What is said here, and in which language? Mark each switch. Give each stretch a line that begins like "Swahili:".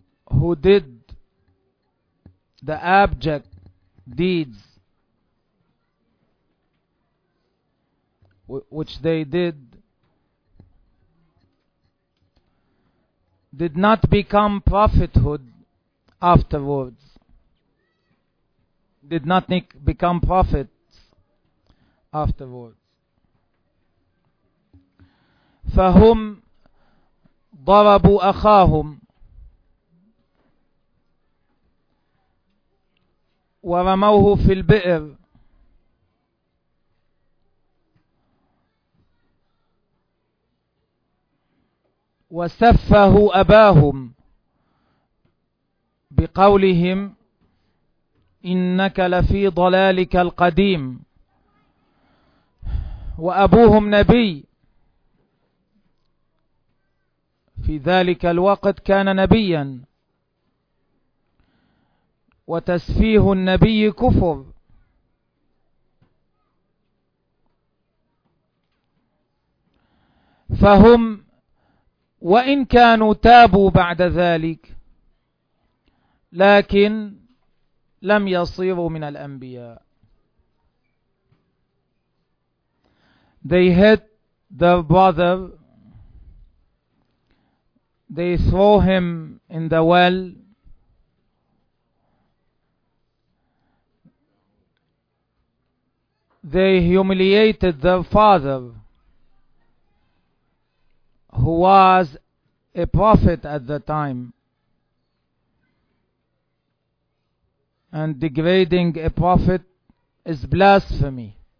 English: who did the abject deeds which they did not become prophethood afterwards, did not become prophet afterwards.
Arabic: فهم ضربوا أخاهم ورموه في البئر وسفهوا أباهم بقولهم إنك لفي ضلالك القديم وأبوهم نبي. في ذلك الوقت كان نبيا، وتسفيه النبي كفر. فهم وإن كانوا تابوا بعد ذلك لكن لم يصيروا من الأنبياء.
English: they hit the brother, they throw him in the well, they humiliated the father, who was a prophet at the time, and degrading a prophet is blasphemy.